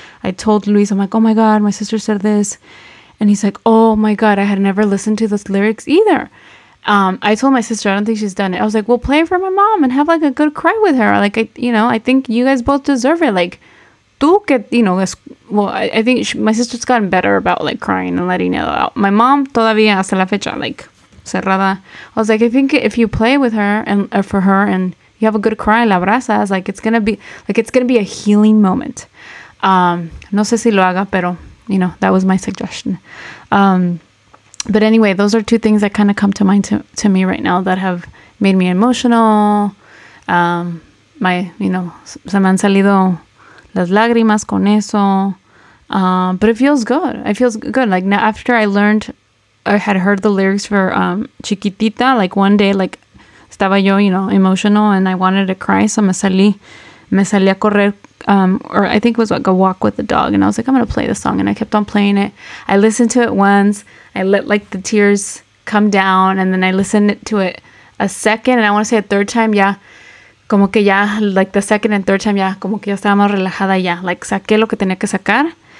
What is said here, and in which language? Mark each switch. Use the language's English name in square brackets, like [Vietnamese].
[English] I told Luis, I'm like, oh my God, my sister said this. And he's like, oh my God, I had never listened to those lyrics either. I told my sister, I don't think she's done it. I was like, well, play it for my mom and have like a good cry with her. Like, I think you guys both deserve it. Like, [Spanish] tú que, [English] you know, I think my sister's gotten better about, like, crying and letting it out. My mom, [Spanish] todavía, hasta la fecha, [English] like, [Spanish] cerrada. [English] I was like, I think if you play with her and for her and you have a good cry, [Spanish] la abrazas, [English] like, it's going to be a healing moment. [Spanish] No sé si lo haga, pero, [English] you know, that was my suggestion. But anyway, those are two things that kind of come to mind to me right now that have made me emotional. [Spanish] Se me han salido las lágrimas con eso. [English] But it feels good. It feels good. Like, now after I learned, I had heard the lyrics for Chiquitita, like, one day, like, [Spanish] estaba yo, [English] you know, emotional, and I wanted to cry, so [Spanish] me salí a correr, [English] or I think it was, like, a walk with the dog, and I was like, I'm gonna play the song, and I kept on playing it. I listened to it once. I let, like, the tears come down, and then I listened to it a second, and I want to say a third time, yeah. [Spanish] Como que ya, [English] like, the second and third time, [Spanish] ya, como que ya estaba más relajada ya. [English] Like, [Spanish] saqué lo que tenía que sacar.